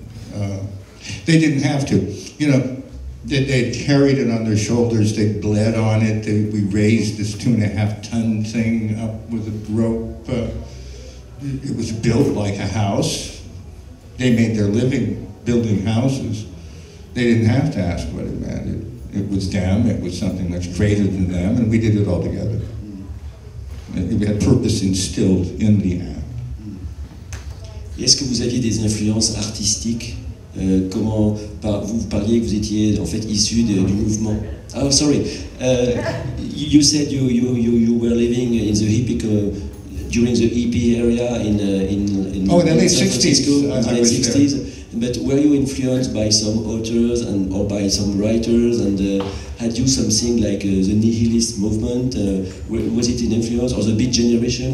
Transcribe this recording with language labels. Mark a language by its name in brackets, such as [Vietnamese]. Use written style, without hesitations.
[English] They didn't have to. You know, they carried it on their shoulders, they bled on it, we raised this 2.5-ton thing up with a rope. It was built like a house. They made their living building houses. They didn't have to ask what it meant. It was them, it was something much greater than them, and we did it all together. We had purpose instilled in the act. [French] Est-ce que vous aviez des influences artistiques? Vous parliez que vous étiez en fait issu du mouvement. [English] Oh, sorry. You said you were living in the hippie during the hippie era in oh, in the late 60s. In the late 60s. But were you influenced by some authors or by some writers? Had you something like the nihilist movement? Was it an influence, or the Beat Generation?